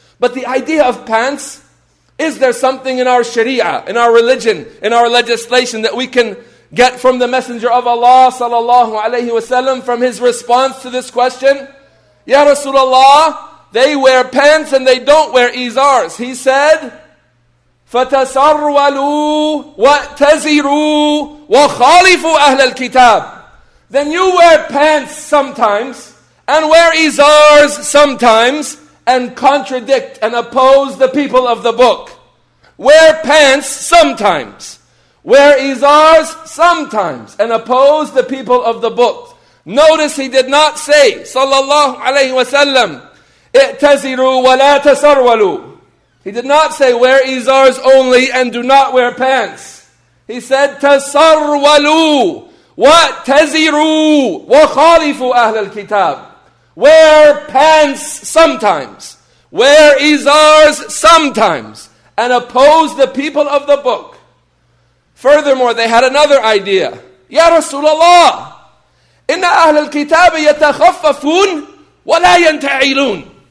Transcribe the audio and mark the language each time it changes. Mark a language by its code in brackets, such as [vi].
[en] But the idea of pants, is there something in our sharia, in our religion, in our legislation that we can get from the Messenger of Allah sallallahu alayhi wa sallam, from his response to this question? Ya Rasulullah, they wear pants and they don't wear izars. He said, [ar] فَتَسَرْوَلُوا وَأْتَزِرُوا وَخَالِفُوا أَهْلَ الْكِتَابِ. [en] Then you wear pants sometimes, and wear izars sometimes, and contradict and oppose the people of the book. Wear pants sometimes. Wear izars sometimes, and oppose the people of the book. Notice he did not say, sallallahu alayhi wa sallam, [ar] اِعْتَزِرُوا وَلَا تَسَرْوَلُوا. [en] He did not say, wear izars only and do not wear pants. He said, [ar] تَسَرْوَلُوا وَتَزِرُوا وَخَالِفُوا أَهْلَ الْكِتَابِ. [en] Wear pants sometimes. Wear izars sometimes. And oppose the people of the book. Furthermore, they had another idea. [ar] Ya Rasulullah, إِنَّ أَهْلَ الْكِتَابِ يَتَخَفَّفُونَ وَلَا يَنْتَعِلُونَ.